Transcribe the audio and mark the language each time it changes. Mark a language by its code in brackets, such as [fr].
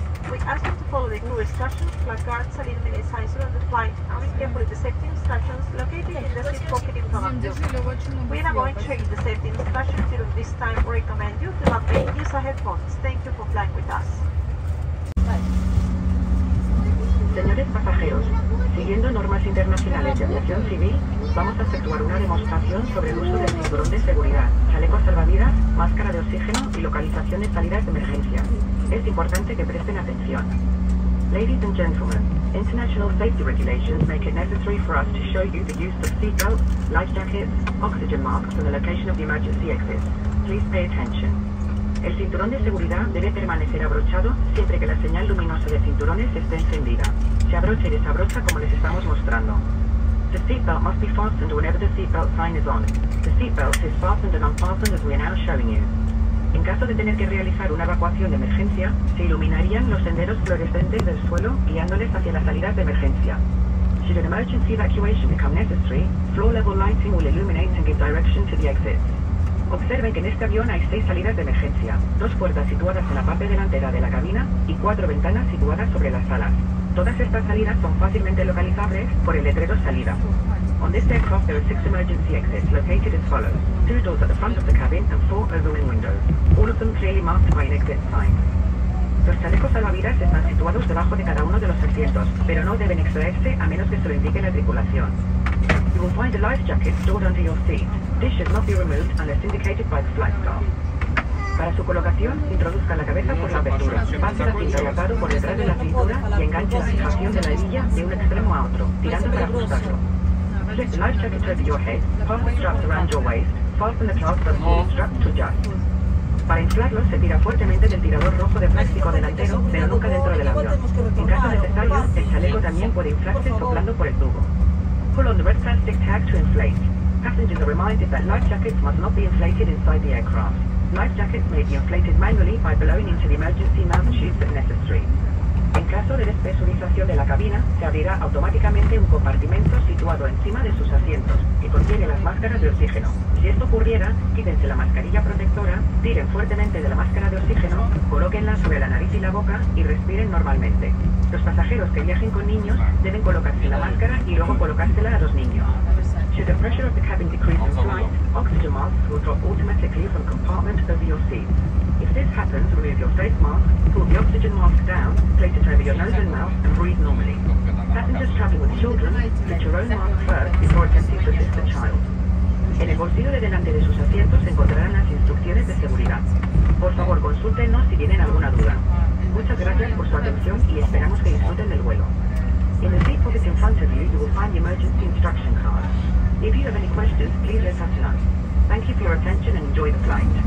[en] We ask you to follow the crew instructions, flag guards, and illuminate signs during the flight, and be careful with the safety instructions located in the seat pocket in front of you. We are going to check the safety instructions during this time. We recommend you to not make use of headphones. Thank you for flying with us. [es] Señores pasajeros, siguiendo normas internacionales de aviación civil, vamos a efectuar una demostración sobre el uso del cinturón de seguridad, chaleco salvavidas, máscara de oxígeno y localización de salidas de emergencia. Es importante que presten atención. [en] Ladies and gentlemen, international safety regulations make it necessary for us to show you the use of seatbelts, life jackets, oxygen masks and the location of the emergency exits. Please pay attention. [es] El cinturón de seguridad debe permanecer abrochado siempre que la señal luminosa de cinturones esté encendida. Se abrocha y desabrocha como les estamos mostrando. [en] The seatbelt must be fastened whenever the seatbelt sign is on. The seatbelt is fastened and unfastened as we are now showing you. [es] En caso de tener que realizar una evacuación de emergencia, se iluminarían los senderos fluorescentes del suelo guiándoles hacia las salidas de emergencia. [en] Should an emergency evacuation become necessary, floor level lighting will illuminate and give direction to the exits. [es] Observen que en este avión hay 6 salidas de emergencia, 2 puertas situadas en la parte delantera de la cabina y 4 ventanas situadas sobre las alas. Todas estas salidas son fácilmente localizables por el letrero salida. [en] On this aircraft there are 6 emergency exits located as follows. 2 doors at the front of the cabin and 4 overwing windows, all of them clearly marked by an exit sign. [es] Los chalecos salvavidas están situados debajo de cada uno de los asientos, pero no deben extraerse a menos que se lo indique la tripulación. [en] You will find a life jacket stored under your seat. This should not be removed unless indicated by the flight staff. [es] Para su colocación, introduzca la cabeza por la abertura, pase la cinta y atado por detrás de la cintura y enganche la fijación de la hebilla de un extremo a otro, tirando para ajustarlo. [en] Flip the life jacket over your head, pass the straps around your waist, fasten the clasp of the strap to adjust. [es] Para inflarlo, se tira fuertemente del tirador rojo de plástico delantero, pero nunca dentro del avión. En caso necesario, el chaleco también puede inflarse soplando por el tubo. [en] Pull on the red plastic tag to inflate. Passengers are reminded that life jackets must not be inflated inside the aircraft. Life jackets may be inflated manually by blowing into the emergency mouth tubes if necessary. [es] En caso de despresurización de la cabina, se abrirá automáticamente un compartimento situado encima de sus asientos, que contiene las máscaras de oxígeno. Si esto ocurriera, quítense la mascarilla protectora, tiren fuertemente de la máscara de oxígeno, colóquenla sobre la nariz y la boca y respiren normalmente. Los pasajeros que viajen con niños deben colocarse la máscara y luego colocársela a los niños. [en] Should the pressure of the cabin decrease in flight, oxygen masks will drop automatically from compartment over your seat. If this happens, remove your face mask, pull the oxygen mask down, place it over your nose and mouth, and breathe normally. Passengers traveling with children, get your own mask first before attempting to assist the child. [es] En el bolsillo de delante de sus asientos se encontrarán las instrucciones de seguridad. Por favor, consúltenos si tienen alguna duda. Muchas gracias por su atención y esperamos que disfruten del vuelo. [en] In the seat pocket in front of you, you will find the emergency instruction card. If you have any questions, please let us know. Thank you for your attention and enjoy the flight.